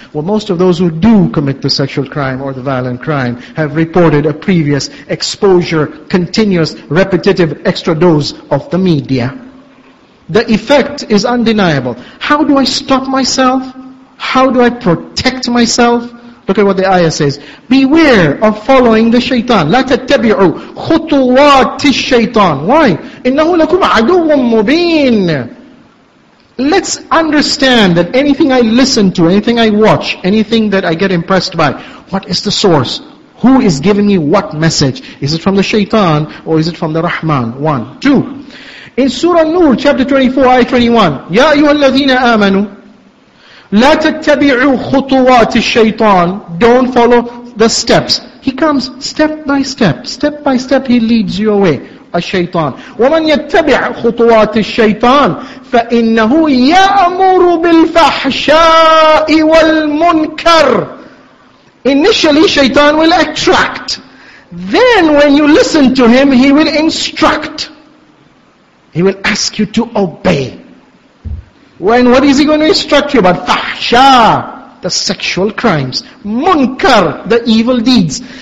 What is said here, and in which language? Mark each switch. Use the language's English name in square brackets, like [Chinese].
[English] Well, most of those who do commit the sexual crime or the violent crime have reported a previous exposure, continuous, repetitive extra dose of the media. The effect is undeniable. How do I stop myself? How do I protect myself? Look at what the ayah says. Beware of following the shaitan. [Arabic] لا تتبعوا خطوات الشيطان. [English] Why? [Arabic] إِنَّهُ لَكُمْ عَدُوٌ مُّبِينٌ. [English] Let's understand that anything I listen to, anything I watch, anything that I get impressed by, what is the source? Who is giving me what message? Is it from the shaitan or is it from the Rahman? One. Two. In Surah Nur, chapter 24, ayah 21. [Arabic] يَا أَيُّهَا الَّذِينَ آمَنُوا لا تتبعوا خطوات الشيطان. [English] Don't follow the steps. He comes step by step. Step by step he leads you away. [Arabic] الشيطان. ومن يتبع خطوات الشيطان فإنه يأمر بالفحشاء والمنكر. [English] Initially shaitan will attract. Then when you listen to him, he will instruct. He will ask you to obey. When what is he going to instruct you about? Fahsha, the sexual crimes. Munkar, the evil deeds.